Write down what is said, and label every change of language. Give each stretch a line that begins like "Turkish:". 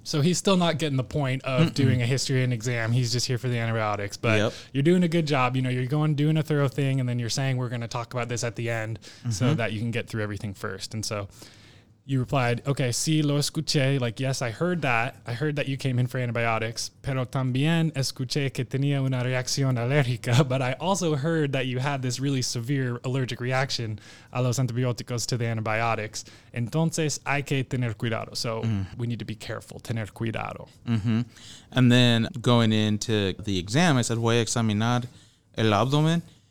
English: So he's still not getting the point of doing a history and exam. He's just here for the antibiotics. But you're doing a good job. You know, you're going doing a thorough thing, and then you're saying we're going to talk about this at the end so that you can get through everything first. And so you replied, okay,
Spanish: sí, lo escuché.
English: Like, yes, I heard that. I heard that you came in for antibiotics.
Spanish: Pero también escuché que tenía una reacción alérgica.
English: But I also heard that you had this really severe allergic reaction
Spanish: a los antibióticos,
English: to the antibiotics.
Spanish: Entonces, hay que tener cuidado.
English: So we need to be careful.
Spanish: Tener cuidado.
English: Mm-hmm. And then going into the exam, I said,
Spanish: voy a examinar el abdomen.